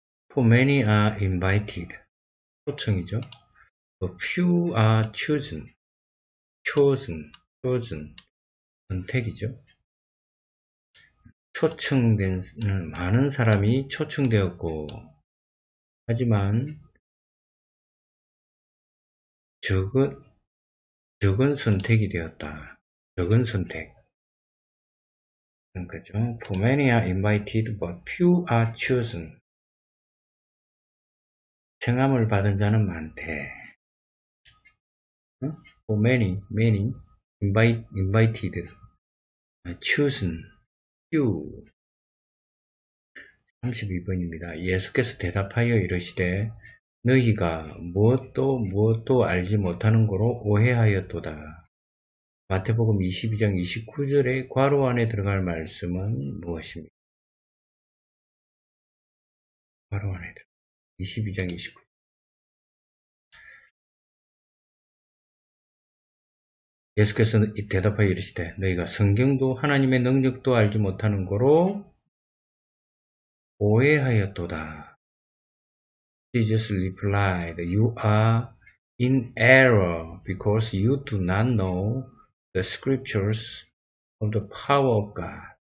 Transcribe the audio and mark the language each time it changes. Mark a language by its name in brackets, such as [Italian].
[English] For many are invited. [Korean] 초청이죠. [English] A few are chosen. chosen. [Korean] 선택이죠. 초청된, 많은 사람이 초청되었고, 하지만, 적은 선택이 되었다. 적은 선택. 그죠? [English] For many are invited, but few are chosen. [Korean] 청함을 받은 자는 많대. [English] For many invited, chosen, few. [Korean] 32번입니다. 예수께서 대답하여 이르시되, 너희가 무엇도 알지 못하는 거로 오해하였도다. 마태복음 22장 29절의 괄호 안에 들어갈 말씀은 무엇입니까? 괄호 안에 들어갈 22장 29절. 예수께서는 대답하여 이르시되, 너희가 성경도 하나님의 능력도 알지 못하는 거로 오해하였도다. [English] Jesus replied, You are in error because you do not know the scriptures of the power of God.